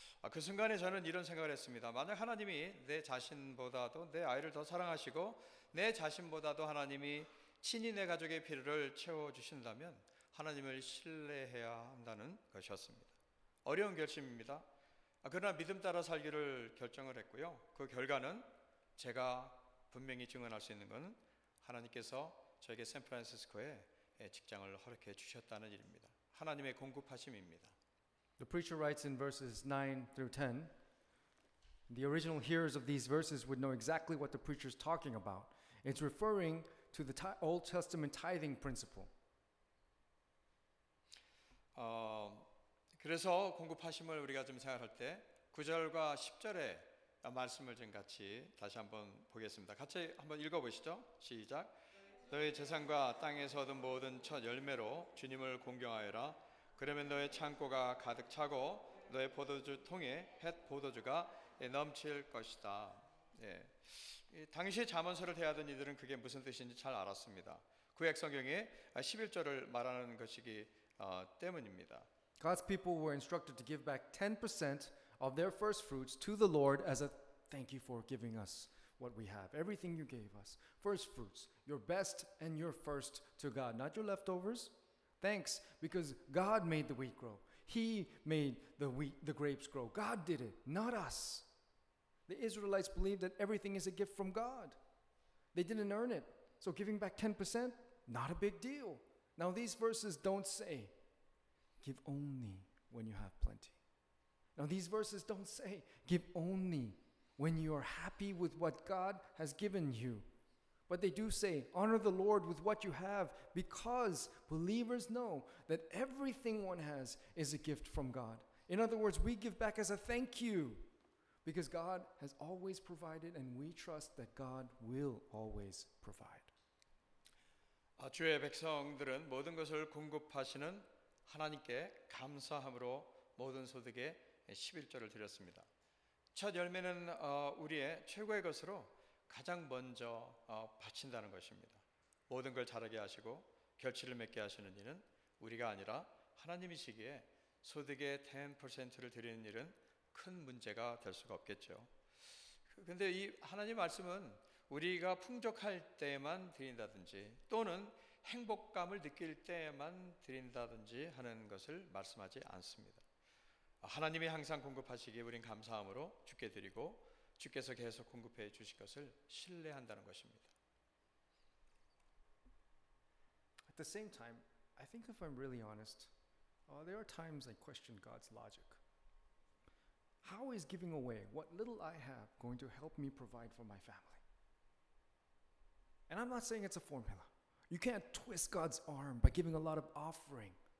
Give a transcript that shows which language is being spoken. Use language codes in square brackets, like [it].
[ko] 그 순간에 저는 이런 생각을 했습니다. 만약 하나님이 내 자신보다도 내 아이를 더 사랑하시고 내 자신보다도 하나님이 친히 내 가족의 필요를 채워주신다면 하나님을 신뢰해야 한다는 것이었습니다. 어려운 결심입니다. 그러나 믿음 따라 살기를 결정을 했고요. 그 결과는 제가 분명히 증언할 수 있는 것은 하나님께서 저에게 샌프란시스코에 직장을 허락해 주셨다는 일입니다. 하나님의 공급하심입니다. [en] The preacher writes in verses 9 through 10. The original hearers of these verses would know exactly what the preacher is talking about. It's referring to the Old Testament tithing principle. [ko] 그래서 공급하심을 우리가 좀 생각할 때 9절과 10절의 말씀을 좀 같이 다시 한번 보겠습니다. 같이 한번 읽어보시죠. 시작. 너의 재산과 땅에서 얻은 모든 첫 열매로 주님을 공경하여라. 그러면 너의 창고가 가득 차고 너의 포도주 통에 햇 포도주가 넘칠 것이다. 예. 당시 잠언서를 대하던 이들은 그게 무슨 뜻인지 잘 알았습니다. 구약 성경의 11절을 말하는 것이기 때문입니다. [en] God's people were instructed to give back 10% of their first fruits to the Lord as a thank you for giving us what we have. Everything you gave us. First fruits, your best and your first to God. Not your leftovers, thanks because God made the wheat grow. He made the wheat, the grapes grow. God did it, not us. The Israelites believed that everything is a gift from God. They didn't earn it. So giving back 10%, not a big deal. Now these verses don't say, give only when you have plenty. Now these verses don't say, give only when you are happy with what God has given you. But they do say, honor the Lord with what you have, because believers know that everything one has is a gift from God. In other words, we give back as a thank you, because God has always provided, and we trust that God will always provide. [ko] 주의 백성들은 모든 것을 공급하시는 하나님께 감사함으로 모든 소득의 십일조를 드렸습니다. 첫 열매는 우리의 최고의 것으로 가장 먼저 바친다는 것입니다. 모든 걸 자라게 하시고 결실을 맺게 하시는 일은 우리가 아니라 하나님이시기에 소득의 10%를 드리는 일은 큰 문제가 될 수가 없겠죠. 그런데 이 하나님 말씀은 우리가 풍족할 때만 드린다든지 또는 행복감을 느낄 때만 드린다든지 하는 것을 말씀하지 않습니다. 하나님이 항상 공급하시기에 우린 감사함으로 주께 드리고 주께서 계속 공급해 주실 것을 신뢰한다는 것입니다. [en] At the same time, I think if I'm really honest, there are times I question God's logic. How is giving away what little I have going to help me provide for my family? And I'm not saying it's a formula. You can't twist God's arm by giving a lot of offering.